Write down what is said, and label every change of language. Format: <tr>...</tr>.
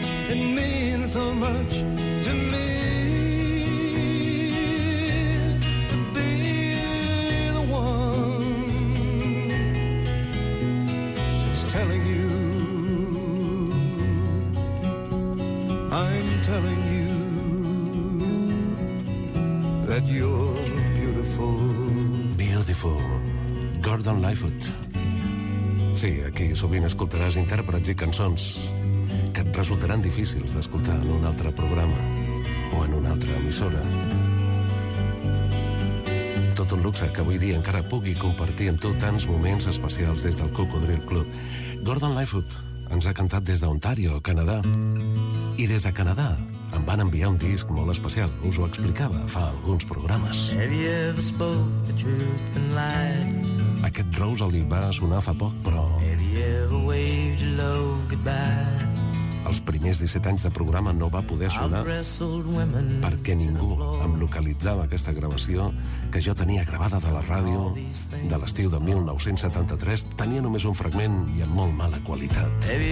<en>It means so much to me to be the one who's telling you, I'm telling you that you're beautiful. Beautiful. Gordon Lightfoot.</en> <ca>Sí, aquí sovint escoltaràs intèrprets i cançons que et resultaran difícils d'escoltar en un altre programa o en una altra emissora. Tot un luxe que avui dia encara pugui compartir amb tu tants moments especials des del Cocodril Club. Gordon Lightfoot ens ha cantat des d'Ontario, Canadà. I des de Canadà em van enviar un disc molt especial. Us ho explicava fa alguns programes.</ca> <en>Have you ever spoke the truth and lied?</en> <ca>Aquest Rosalie va sonar fa poc, però...</ca> <en>Have you ever waved your love goodbye?</en> <ca>Els primers 17 anys de programa no va poder sonar perquè ningú em localitzava aquesta gravació que jo tenia gravada de la ràdio de l'estiu de 1973. Tenia només un fragment i amb molt mala qualitat.</ca>